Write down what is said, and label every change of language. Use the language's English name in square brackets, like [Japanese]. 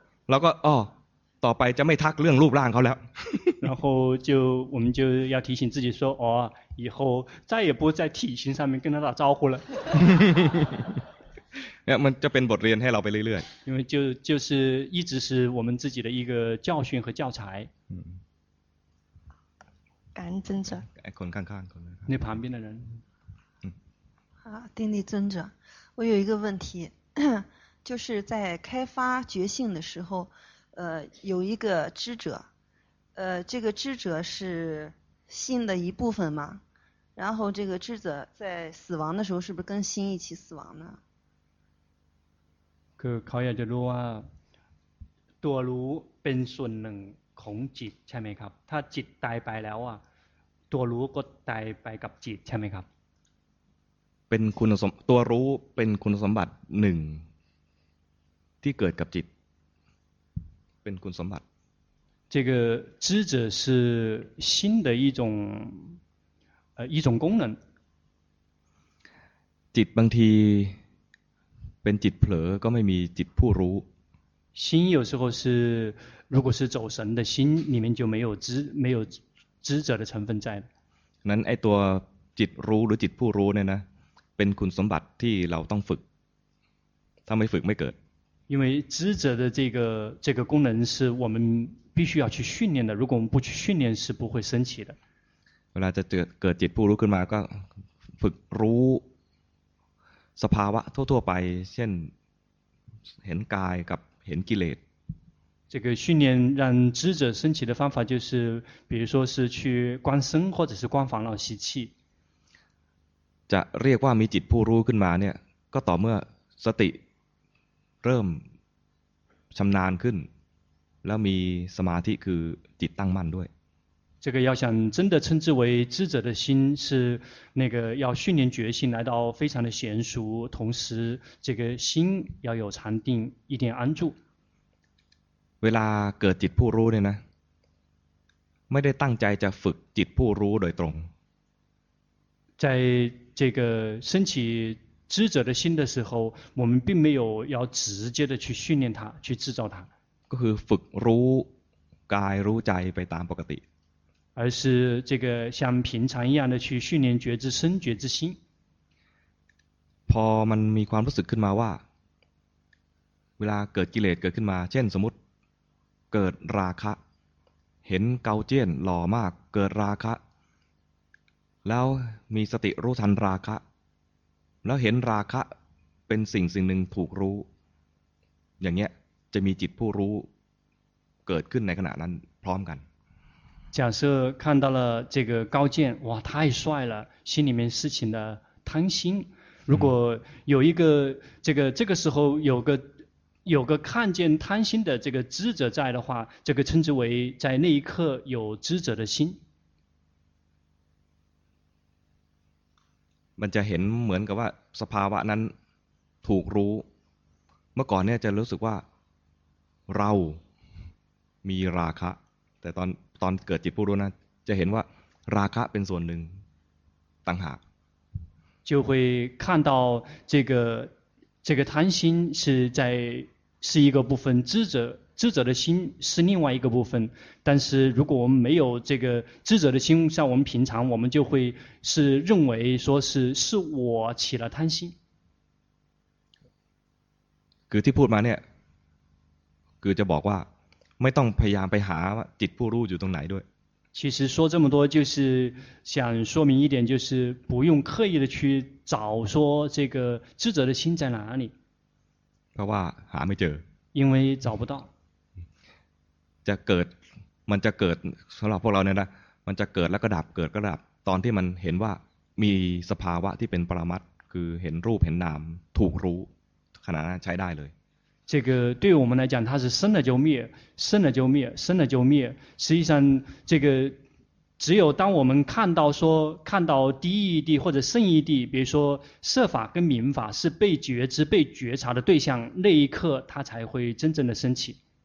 [Thai] แล้วก็อ้อต่อไปจะไม่ทักเรื่องรูปร่างเขาแล้ว [Chinese] 然后就我们就要提醒自己说哦以后再也不在体型上面跟他打招呼了 [Thai] เนี่ยมันจะเป็นบทเรียนให้เราไปเรื่อย [Chinese] ๆ因为就是一直是我们自己的一个教训和教材感恩尊者 [Thai] 哎คนข้างๆคน [Chinese] นี้旁边的人啊定力尊者我有一个问题就是在开发觉性的时候有一个知者这个知者是心的一部分吗然后这个知者在死亡的时候是不是跟心一起死亡呢 [Thai] คือเขาอยากจะรู้ว่าตัวรู้เป็นส่วนหนึ่งของจิตใช่ไหมครับถ้าจิตตายไปแล้วอ่ะตัวรู้ก็ตายไปกับจิตใช่ไหมครับ เป็นคุณสมตัวรู้เป็นคุณสมบัติหนึ่งที่เกิดกับจิตเป็นคุณสมบัติ [Chinese] 这个知者是心的一种功能 [Thai] จิตบางทีเป็นจิตเผลอก็ไม่มีจิตผู้รู้ [Chinese] 心有时候是如果是走神的心里面就没有知者的成分在 [Thai] นั้นไอ้ตัวจิตรู้หรือจิตผู้รู้เนี่ยนะเป็นคุณสมบัติที่เราต้องฝึกถ้าไม่ฝึกไม่เกิด [Chinese] 因为知者的这个功能是我们必须要去训练的如果我们不去训练是不会升起的 [Thai] เวลาจะเกิดจิตผู้รู้ขึ้นมาก็ฝึกรู้สภาวะทั่วๆไปเช่นเห็นกายกับเห็นกิเลส [Chinese] 这个训练让知者升起的方法就是比如说是去观身或者是观烦恼习气 [Thai] จะเรียกว่ามีจิตผู้รู้ขึ้นมาเนี่ยก็ต่อเมื่อสติเริ่มชำนาญขึ้นแล้วมีสมาธิคือจิตตั้งมั่นด้วย [Chinese] 这个要想真的称之为智者的心是那个要训练决心来到非常的娴熟同时这个心要有禅定一点安住 [Thai] เวลาเกิดจิตผู้รู้เนี่ยนะไม่ได้ตั้งใจจะฝึกจิตผู้รู้โดยตรง [Chinese] 在这个升起知者的心的时候我们并没有要直接的去训练它去制造它 [Thai] ก็คือฝึกรู้กายรู้ใจไปตามปกติ [Chinese] 而是这个像平常一样的去训练觉知身觉知心 [Thai] พอมันมีความรู้สึกขึ้นมาว่าเวลาเกิดกิเลสเกิดขึ้นมาเช่นสมมติเกิดราคะเห็นเกาเจี้ยนหล่อมากเกิดราคะแล้วมีสติรู้ทันราคะแล้วเห็นราคะเป็นสิ่งหนึ่งถูกรู้อย่างเงี้ยจะมีจิตผู้รู้เกิดขึ้นในขณะนั้นพร้อมกัน [Chinese] 假设看到了这个高见哇太帅了心里面事情的贪心如果有一个这个时候有个看见贪心的这个知者在的话这个称之为在那一刻有知者的心 [Thai] มันจะเห็นเหมือนกับว่าสภาวะนั้นถูกรู้เมื่อก่อนเนี่ยจะรู้สึกว่าเรามีราคะแต่ตอนเกิดจิตผู้รู้นะจะเห็นว่าราคะเป็นส่วนหนึ่งต่างหาก [Chinese] 就会看到这个贪心是一个部分知者的心是另外一个部分但是如果我们没有这个知者的心像我们平常我们就会是认为说是我起了贪心 [Thai] คือที่พูดมาเนี่ยคือจะบอกว่าไม่ต้องพยายามไปหาจิตผู้รู้อยู่ตรงไหนด้วย [Chinese] 其实说这么多就是想说明一点就是不用刻意的去找说这个智者的心在哪里 [Thai] เพราะว่าหาไม่เจอ [Chinese] 因为找不到 [Thai] จะเกิดมันจะเกิดสำหรับพวกเราเนี่ยนะมันจะเกิดแล้วก็ดับเกิดก็ดับตอนที่มันเห็นว่ามีสภาวะที่เป็นปรมัตถ์คือเห็นรูปเห็นนามถูกรู้ขณะนั้นใช้ได้เลย [Chinese] 这个对我们来讲它是生了就灭生了就灭生了就灭实际上这个只有当我们看到第一谛或者圣一谛比如说色法跟名法是被觉知被觉察的对象那一刻它才会真正的升起